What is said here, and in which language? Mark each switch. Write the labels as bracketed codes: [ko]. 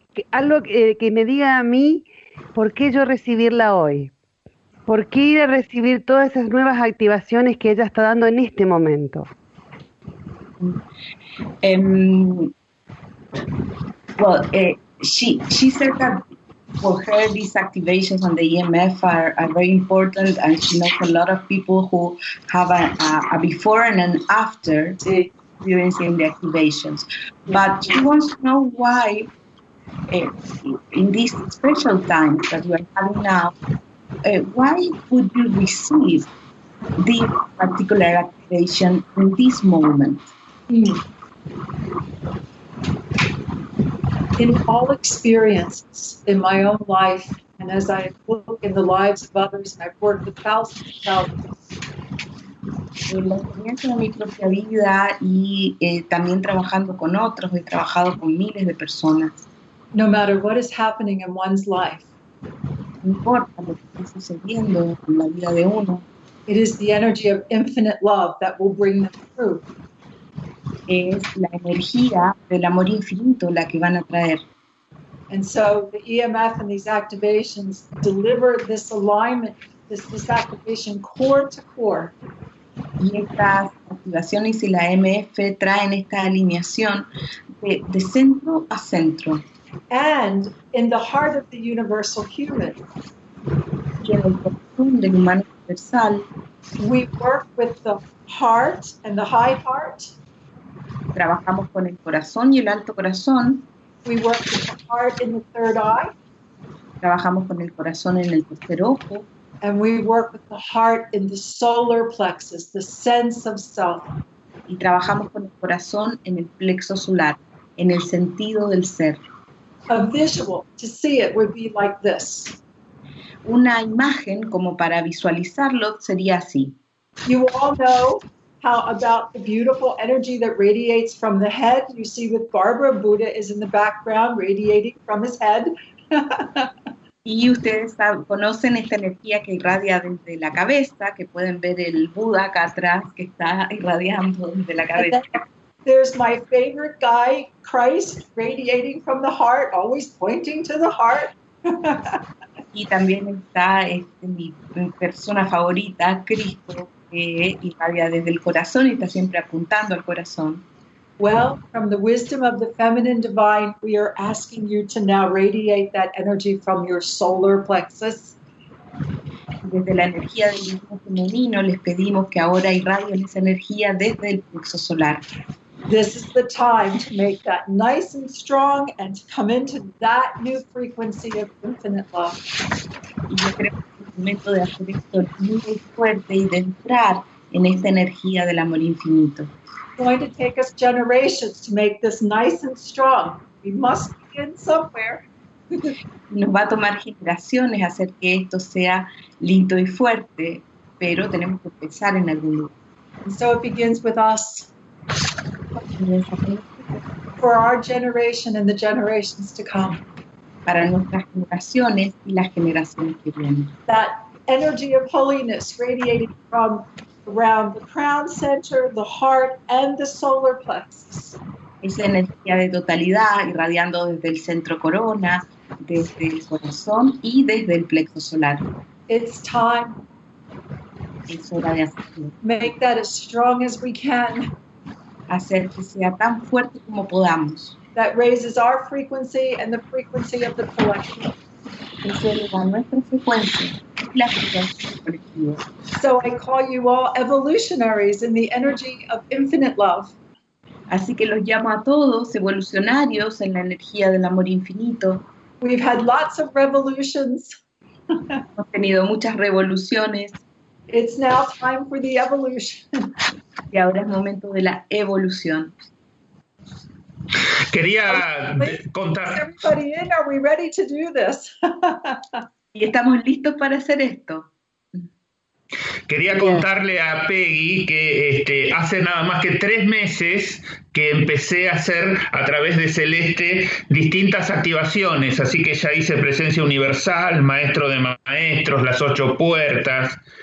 [es] algo que me diga a mí por qué yo recibirla hoy. ¿Por qué ir a recibir todas esas nuevas activaciones que ella está dando en este momento? [en] She said that for her these activations on the EMF are very important, and she knows a lot of people who have a before and an after experiencing the activations. But she wants to know why in these special times that we are having now, why would you receive this particular activation in this moment? In all experiences in my own life, and as I look in the lives of others, and I've worked with thousands of others. No matter what is happening in one's life, [es] no importa lo que está sucediendo en la vida de uno, [en] it is the energy of infinite love that will bring them through. [es] Es la energía del amor infinito la que van a traer. [en] And so the EMF and these activations deliver this alignment, this activation core to core. [es] Y estas activaciones y la EMF traen esta alineación de centro a centro. [en] And in the heart of the universal human, we work with the heart and the high heart. [es] Trabajamos con el corazón y el alto corazón. [en] We work with the heart in the third eye. [es] Trabajamos con el corazón en el tercer ojo. [en] And we work with the heart in the solar plexus, the sense of self. [es] Y trabajamos con el corazón en el plexo solar, en el sentido del ser. [en] A visual to see it would be like this. [es] Una imagen como para visualizarlo sería así. [en] You all know how about the beautiful energy that radiates from the head. You see with Barbara, Buddha is in the background radiating from his head. [es] Y ustedes conocen esta energía que irradia desde la cabeza, que pueden ver el Buda acá atrás que está irradiando desde la cabeza. [en] There's my favorite guy, Christ, radiating from the heart, always pointing to the heart. [es] Y también está mi persona favorita, Cristo, que irradia desde el corazón y está siempre apuntando al corazón. [en] Well, from the wisdom of the feminine divine, we are asking you to now radiate that energy from your solar plexus. [es] Desde la energía del divino femenino, les pedimos que ahora irradien esa energía desde el plexo solar. [en] This is the time to make that nice and strong and to come into that new frequency of infinite love. [es] Yo creo que es el momento de hacer esto muy fuerte y de entrar en esta energía del amor infinito. [en] It's going to take us generations to make this nice and strong. We must begin somewhere. [es] Nos va a tomar generaciones hacer que esto sea lindo y fuerte, pero tenemos que empezar en algún lugar. [en] And so it begins with us. For our generation and the generations to come. [es] Para nuestras generaciones y las generaciones que vienen. [en] That energy of holiness radiating from around the crown center, the heart, and the solar plexus. [es] Esa energía de totalidad irradiando desde el centro corona, desde el corazón y desde el plexo solar. [en] It's time. [es] Es hora de hacerlo. [en] Make that as strong as we can. [es] Hacer que sea tan fuerte como podamos. [en] That raises our frequency and the frequency of the collective. [es] Que se eleva nuestra frecuencia y la frecuencia del colectivo. [en] So I call you all evolutionaries in the energy of infinite love. [es] Así que los llamo a todos evolucionarios en la energía del amor infinito. [en] We've had lots of revolutions. [es] Hemos tenido muchas revoluciones. [en] It's now time for the evolution. [es] Y ahora es momento de la evolución. Quería contar. [en] Everybody in, are we ready to do this? [es] Y estamos listos para hacer esto. Quería contarle a Peggy que hace nada más que 3 meses que empecé a hacer a través de Celeste distintas activaciones. Así que ya hice Presencia Universal, Maestro de Maestros, Las 8 Puertas.